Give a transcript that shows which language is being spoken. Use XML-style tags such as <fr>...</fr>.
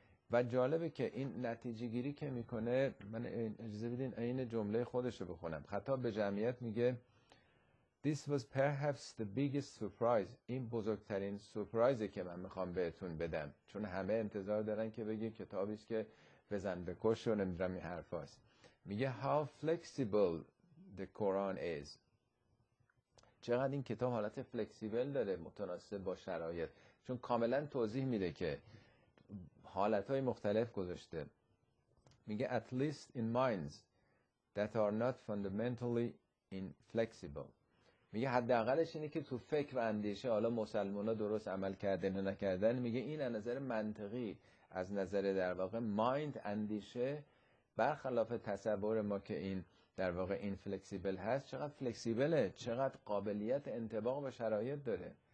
<fa>و جالبه که این نتیجه گیری که میکنه، من اجازه بدین این جمله خودشو بخونم، خطاب به جمعیت میگه</fa> <en>This was perhaps the biggest surprise.</en> <fa>این بزرگترین سورپرایزه که من میخوام بهتون بدم. چون همه انتظار دارن که بگی کتابیست که بزن بکش و نمیدونم این حرف هاست. میگه</fa> <en>How flexible the Quran is.</en> <fa>چقدر این کتاب حالت فلکسیبل داره، متناسب با شرایط. چون کاملا توضیح میده که حالتهای مختلف گذاشته. میگه</fa> <en>At least in minds that are not fundamentally inflexible.</en> <fa>میگه حداقلش اینه که تو فکر و اندیشه، حالا مسلمان‌ها درست عمل کردن و نکردن، میگه این از نظر منطقی، از نظر در واقع مایند، اندیشه، برخلاف تصور ما که این در واقع این فلکسیبل هست، چقدر فلکسیبله، چقدر قابلیت انطباق به شرایط داره.</fa>